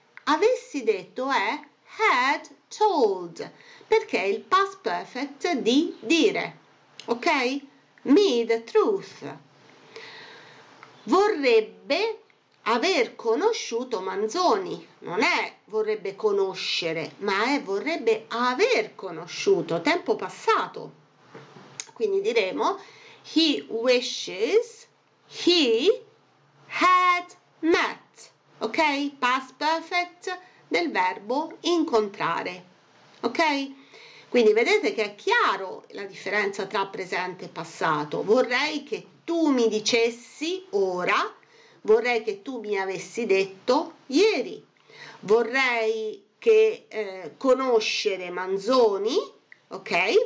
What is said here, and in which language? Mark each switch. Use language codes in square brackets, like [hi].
[it] Avessi detto è had told, perché è il past perfect di dire. Ok? [en] Me the truth. [it] Vorrebbe aver conosciuto Manzoni, non è vorrebbe conoscere, ma è vorrebbe aver conosciuto, tempo passato. Quindi diremo, [en] he wishes he had met, ok? [it] Past perfect del verbo incontrare, ok? Quindi vedete che è chiaro la differenza tra presente e passato. Vorrei che tu mi dicessi ora, vorrei che tu mi avessi detto ieri, vorrei che conoscere Manzoni, ok?